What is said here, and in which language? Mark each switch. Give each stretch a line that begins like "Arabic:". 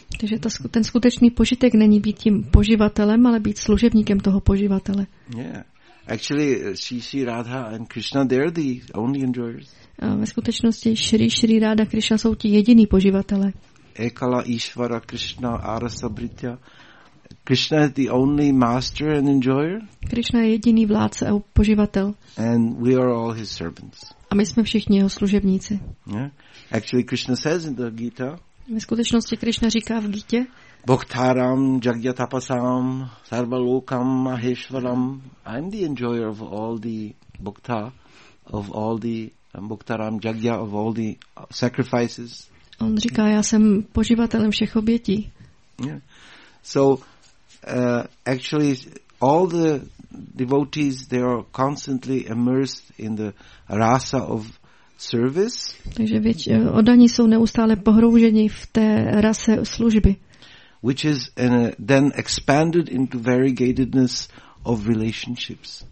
Czech: Takže ten skutečný požitek není být tím poživatelem, ale být služebníkem toho poživatele.
English: Yeah. Actually, Sri Radha and Krishna, they're the only enjoyers.
Czech: A ve skutečnosti Sri Radha a Krishna jsou ti jediní poživatelé.
Sanskrit: Ekala Ishvara Krishna Arasa Britya.
English: Krishna is the only master and enjoyer.
Czech: Krishna je jediný vládce a poživatel.
English: And we are all his servants.
Czech: A my jsme všichni jeho služebníci.
English: Yeah. Actually, Krishna says in the Gita.
Czech: Ve skutečnosti Krishna říká v Gítě.
Sanskrit: Bhaktaram jagyatapasam sarvalokam maheshwaram.
English: I'm the enjoyer of all the bhakta, of all the bhaktaram jagya, of all the sacrifices.
Czech: On říká, já jsem poživatelem všech obětí.
English: Yeah. So actually all the devotees, they are constantly immersed in the rasa of service.
Czech: Takže oddaní jsou neustále pohrouženi v té rase služby,
English: which is then expanded into variegatedness of relationships.